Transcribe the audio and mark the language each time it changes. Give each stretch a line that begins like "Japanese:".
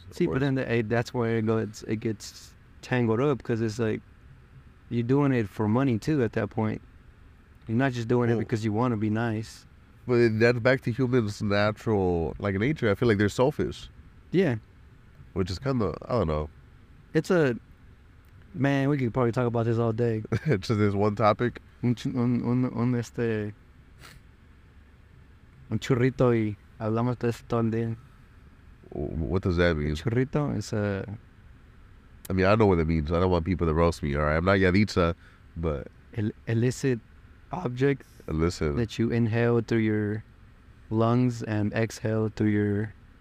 English: See, but then that's where it gets tangled up, because it's like you're doing it for money too at that point. You're not just doing it because you want to be nice. But that's back to humans' natural, like, nature. I feel like they're selfish. Yeah. Which is kind of, I don't know. It's a, man, we could probably talk about this all day. Just this one topic?
Spanish: Un este, un churrito y hablamos de esto todo el día.
English: What does that mean? Churrito is a... I mean, I know what it means. I don't want people to roast me, all right? I'm not Yaditza, but... Illicit object. Illicit. That you inhale through your lungs and exhale through your...